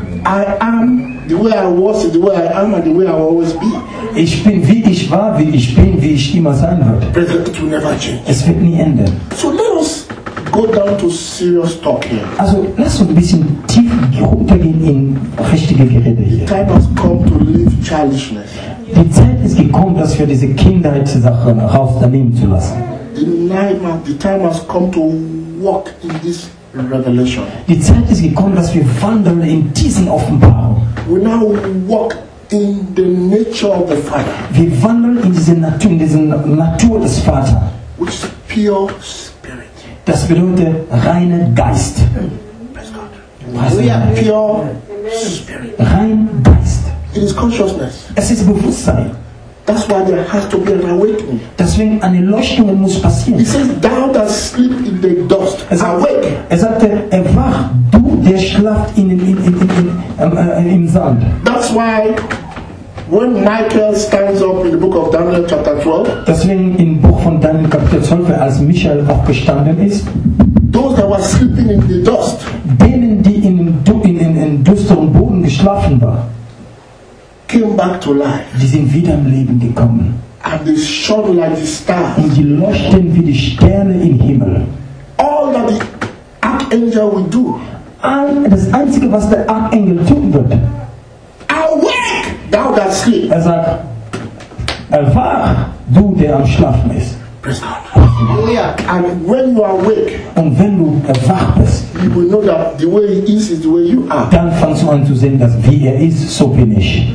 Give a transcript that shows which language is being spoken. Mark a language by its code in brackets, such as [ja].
[en] I am the way I was, the way I am, and the way I will always be. [de] Ich bin wie ich war, wie ich bin, wie ich immer sein werde. [en] Praise God, it will never change. [de] Es wird nie enden. [en] So let us go down to serious talk here. [de] Also lass uns ein bisschen tief runtergehen in richtige Gerede hier. [en] The time has come to leave childishness. [de] Die Zeit ist gekommen, dass wir diese Kindheitssachen rausnehmen zu lassen. [en] The time has come to walk in this revelation. [de] Die Zeit ist gekommen, dass wir wandeln in diesen Offenbarungen. [en] We now walk in the nature of the Father. [de] Wir wandeln in diese Natur, in diesen Natur des Vaters. [en] Which is pure spirit. [de] Das bedeutet reiner Geist. [en] Praise God. We are pure spirit. [de] Rein Geist. [en] It is consciousness. [de] Es ist Bewusstsein. [en] That's why there has to be an awakening. [de] Deswegen eine Erleuchtung muss passieren. [en] He says, "Thou that sleep in the dust, awake." [de] Er sagte, erwach, du, der schlaft im Sand. [en] That's why when Michael stands up in the book of Daniel chapter 12. [de] Deswegen im Buch von Daniel Kapitel 12, als Michael aufgestanden ist. [en] Those that were sleeping in the dust. [de] Denen, die in düsteren Boden geschlafen waren. [en] Came back to life. [de] Die sind wieder im Leben gekommen. [en] And they shone like the stars. [de] Und die leuchten wie die Sterne im Himmel. [en] All that the archangel will do. [de] All das Einzige, was der Archangel tun wird. [en] Awake, thou that sleep. [de] Er sagt, erwach, du, der am Schlafen ist. [en] And when you are awake, [de] und wenn du erwacht bist, [en] you will know that the way he is the way you are. [de] Dann fängst du an zu sehen, dass wie er ist, so bin ich.